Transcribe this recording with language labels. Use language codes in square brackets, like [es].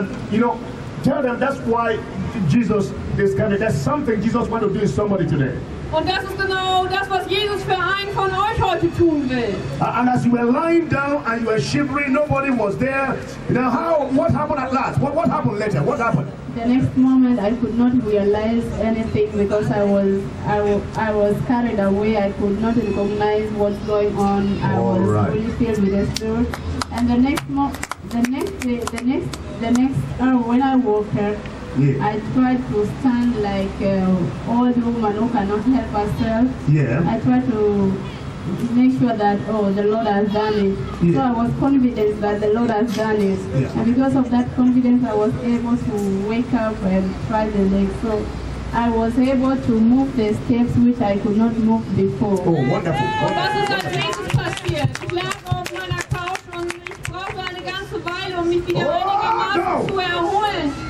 [en] You know, tell them that's why Jesus is coming. There's something Jesus wants to do in somebody today. [de] Und das ist genau das, was Jesus für einen von euch heute tun will. [en] And as you were lying down and you were shivering, nobody was there. Now how, what happened at last? What happened later? What happened? The next moment, I could not realize anything because I was carried away. I could not recognize what's going on. All I was right. Really filled with the spirit. And the next day, when I woke up, yeah. I tried to stand like old woman who cannot help herself. Yeah. I tried to make sure that, oh, the Lord has done it. Yeah. So I was confident that the Lord has done it. Yeah. And because of that confidence, I was able to wake up and try the leg. So I was able to move the steps which I could not move before. Oh, wonderful. [de] Das ist ein Jesus passiert. Ich lag auf meiner Couch und ich brauchte eine ganze Weile, um mich wieder einigermaßen zu erholen.